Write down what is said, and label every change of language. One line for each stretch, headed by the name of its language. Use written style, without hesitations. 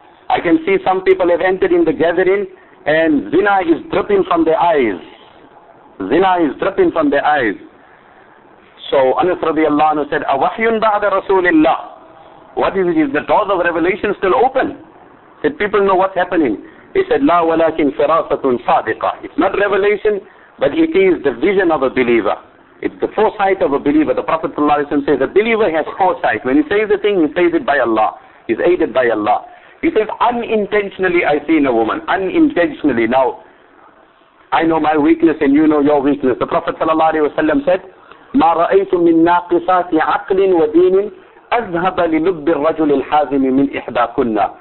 English: I can see some people have entered in the gathering and zina is dripping from their eyes. Zina is dripping from their eyes. So Anas radiallahu anhu said, أَوَحْيٌ بَعْدَ رَسُولِ اللَّهِ. What is it? Is the doors of revelation still open? Did people know what's happening?
Arabic: He said, لَا وَلَكِنْ فِرَاسَةٌ صَادِقَةٌ.
English: It's not revelation, but it is the vision of a believer. It's the foresight of a believer. The Prophet ﷺ says, a believer has foresight. When he says a thing, he says it by Allah. He's aided by Allah. He says, unintentionally I seen a woman. Unintentionally. Now, I know my weakness and you know your weakness. The Prophet ﷺ said, مَا رَأَيْتُ مِن نَاقِصَاتِ عَقْلٍ وَدِينٍ أَذْهَبَ لِلُبِّ الرَّجُلِ الْحَازِمِ مِنْ إِحْدَاكُنَّ.